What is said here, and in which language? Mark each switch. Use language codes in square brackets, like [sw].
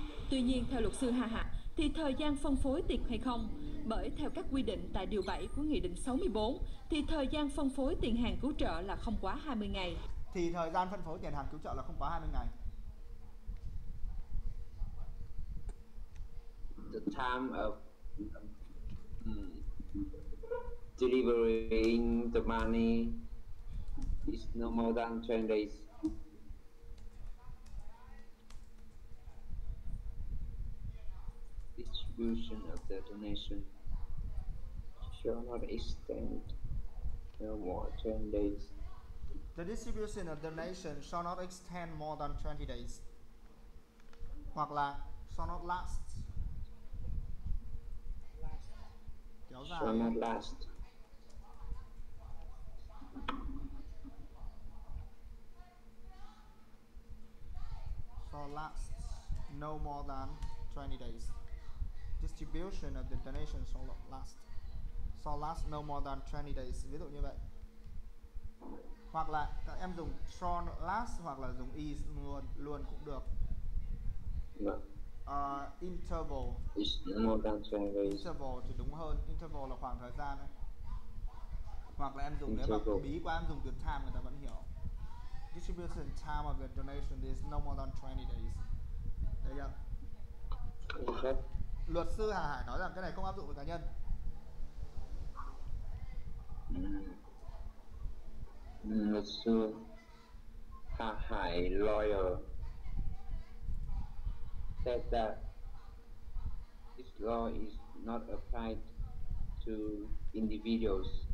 [vi] Tuy nhiên, theo luật sư Hà Hạ, thì thời gian phân phối tiệc hay không? Bởi theo các quy định tại Điều 7 của Nghị định 64, thì thời gian phân phối tiền hàng cứu trợ là không quá 20 ngày. Thì thời gian phân phối tiền hàng cứu trợ là không quá 20 ngày. [en] The time of delivering the money is no more than 20 days. Distribution of the donation shall not extend no more than 20 days. The distribution of the donation shall not extend more than 20 days. [vi] Hoặc là shall not last. [en] Shall not last. Shall last no more than 20 days. Distribution of the donation shall last no more than 20 days. [vi] Ví dụ như vậy. Hoặc là các em dùng shall last hoặc là dùng is luôn cũng được. [en] No. Interval. It's more than 20 days. [vi] Interval thì đúng hơn. Interval là khoảng thời gian ấy. Hoặc là em dùng [en] interval. [vi] Nếu mà bí quá em dùng từ time người ta vẫn hiểu. [en] Distribution time of the donation is no more than 20 days. [vi] Đấy chưa? [en] Okay. [vi] Luật sư Hà Hải nói rằng cái này không áp dụng với cá nhân. [en] Luật sư Hà Hải lawyer said that this law is not applied to individuals.